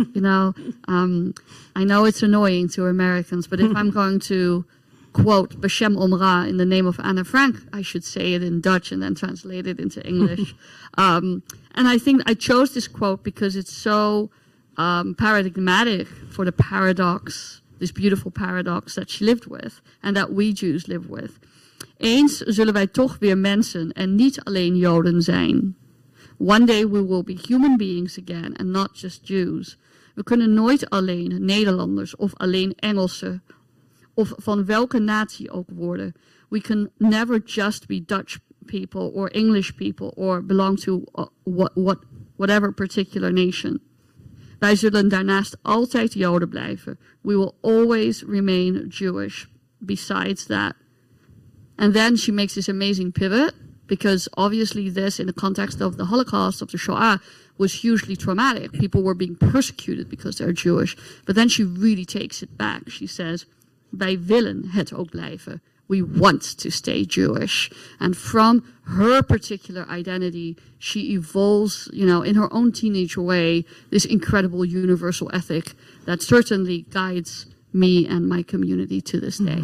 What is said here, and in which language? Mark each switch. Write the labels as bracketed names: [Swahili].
[English] You know, I know it's annoying to Americans, but if I'm going to quote Beshem Omra in the name of Anne Frank, I should say it in Dutch and then translate it into English. And I think I chose this quote because it's so paradigmatic for the paradox, this beautiful paradox that she lived with and that we Jews live with. [Dutch] Eens zullen wij toch weer mensen en niet alleen Joden zijn. [English] One day we will be human beings again and not just Jews. [Dutch] We kunnen nooit alleen Nederlanders of alleen Engelsen of van welke natie ook worden. [English] We can never just be Dutch people or English people or belong to whatever particular nation. [Dutch] Wij zullen daarnaast altijd Joden blijven. [English] We will always remain Jewish besides that. And then she makes this amazing pivot, because obviously this, in the context of the Holocaust, of the Shoah, was hugely traumatic. People were being persecuted because they're Jewish. But then she really takes it back. She says, [Dutch] wij willen het ook blijven. [English] We want to stay Jewish. And from her particular identity, she evolves, you know, in her own teenage way, this incredible universal ethic that certainly guides me and my community to this day.